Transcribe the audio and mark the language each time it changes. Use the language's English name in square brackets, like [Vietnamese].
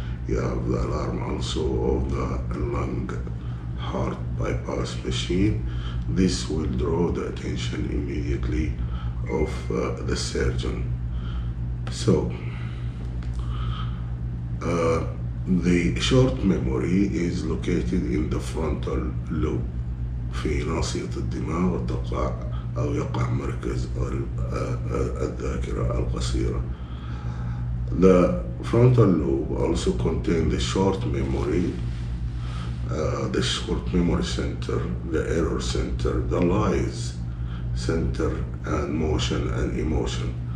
[English] You have the alarm also of the lung heart bypass machine. This will draw the attention immediately of the surgeon. So the short memory is located in the frontal lobe. [Arabic] في ناصية الدماغ تقع أو يقع مركز الذاكرة القصيرة. [English] The frontal lobe also contains the short memory. The short memory center, the error center, the lies center, and motion and emotion.